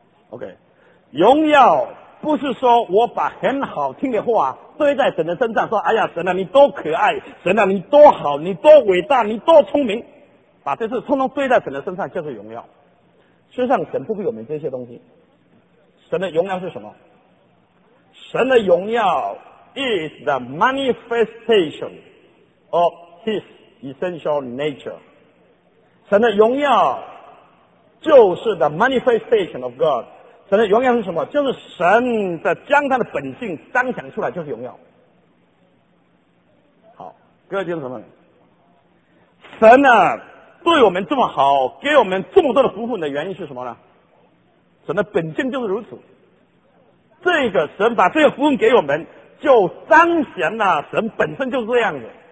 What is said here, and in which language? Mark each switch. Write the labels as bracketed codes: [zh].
[zh] OK， 荣耀不是说我把很好听的话堆在神的身上，说哎呀神啊你多可爱，神啊你多好，你多伟大，你多聪明，把这事通通堆在神的身上就是荣耀。事实上神不给我们这些东西，神的荣耀是什么？神的荣耀 [en] is the manifestation of his essential nature， [zh] 神的荣耀就是 [en] the manifestation of God。 [zh] 神的荣耀是什么？就是神的将他的本性彰显出来，就是荣耀。好，各位弟兄姊妹，神啊对我们这么好，给我们这么多的福分的原因是什么呢？神的本性就是如此。这个神把这个福分给我们，就彰显了神本身就是这样子。